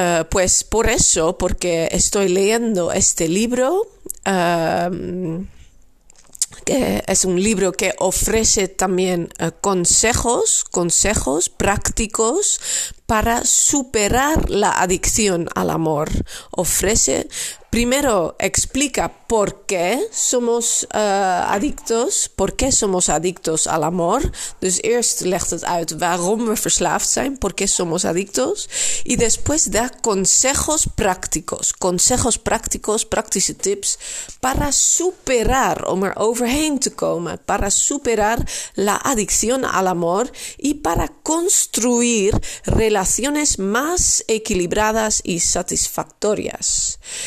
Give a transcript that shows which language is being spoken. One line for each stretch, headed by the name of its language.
Spanish: Pues por eso, porque estoy leyendo este libro, que es un libro que ofrece también consejos prácticos para superar la adicción al amor. Ofrece, primero explica por qué somos adictos, por qué somos adictos al amor.
Dutch: Dus eerst legt het uit waarom we verslaafd zijn,
Spanish: por qué somos adictos. Y después da consejos prácticos,
Dutch: praktische tips,
Spanish: para superar,
Dutch: om er overheen te komen,
Spanish: para superar la adicción al amor y para construir relaciones más equilibradas y satisfactorias.